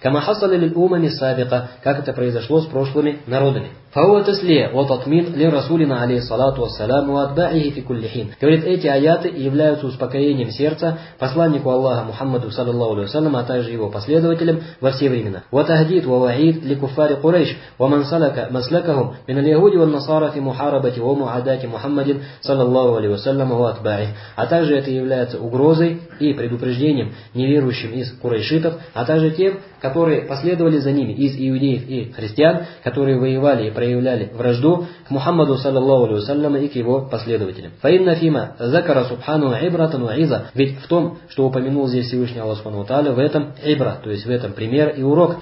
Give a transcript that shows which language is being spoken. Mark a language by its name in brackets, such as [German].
[Arabic] كَمَا حَصَلَ لِلْأُمَمِ السَّابِقَةِ. [Russian] Как это произошло с прошлыми народами? [Arabic] فَهُوَ تَسْلِيَةٌ وَتَطْمِينٌ لِلرَّسُولِنَا عَلَيْهِ الصَّلَاةُ وَالسَّلَامُ وَأَتْبَاعِهِ فِي كُلِّ حِينٍ. [Russian] Говорит, эти аяты являются успокоением сердца посланнику Аллаха Мухаммаду саллаллаху алейхи ва саллям, а также его последователям во все времена. [Arabic] وَتَهْدِيدٌ وَوَعِيدٌ لِكُفَّارِ قُرَيْشٍ وَمَنْ سَلَكَ مَسْلَكَهُمْ مِنَ الْيَهُودِ وَالنَّصَارَى فِي مُحَارَبَةِ وَمُعَادَاةِ مُحَمَّدٍ саллаллаху алейхи ва саллям, وَأَتْبَاعِهِ. [Russian] А также это является угрозой и предупреждением неверующим из курайшитов, а также тем, которые последовали за ними из иудеев и христиан, которые воевали и проявляли вражду к Мухаммаду саллаллаху алейхи ва саллям и к его последователям. [Arabic] Фаинна фима закара субхану ибратан ва иза, [Russian] ведь в том, что упомянул здесь Всевышний Аллах субхану ва тааля, в этом ибра, то есть в этом пример и урок.